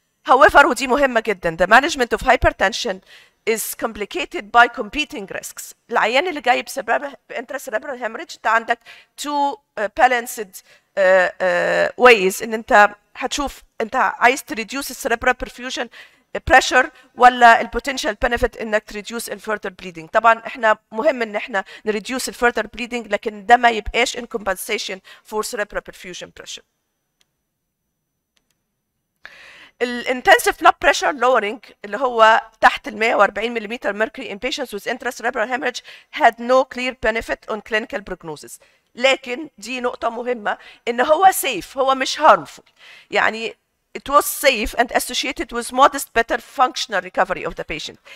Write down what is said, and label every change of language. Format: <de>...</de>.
<en>However</en> <ar>ودي مهمة جدا،</ar> <en>the management of hypertension is complicated by competing risks.</en> <ar>العيان اللي جاي بسبب intracerebral hemorrhage انت عندك</ar> <en>two balanced ways</en> <ar>ان انت هتشوف انت عايز تريديوس السيريبرال perfusion pressure ولا</ar> <en>البوتنشال benefit انك تريديوس الفيرتر بليدنج.</en> <ar>طبعا احنا مهم ان احنا نريديوس الفيرتر بليدنج لكن ده ما يبقاش</ar> <en>in compensation for cerebral perfusion pressure. الintensive blood pressure lowering</en> <ar>اللي هو تحت ال 140 مليمتر مركري</ar> <en>in patients with intracerebral hemorrhage had no clear benefit on clinical prognosis.</en> <ar>لكن دي نقطة مهمة ان هو</ar> <en>safe، هو مش harmful، يعني it was safe and associated with modest better functional recovery of the patient.</en>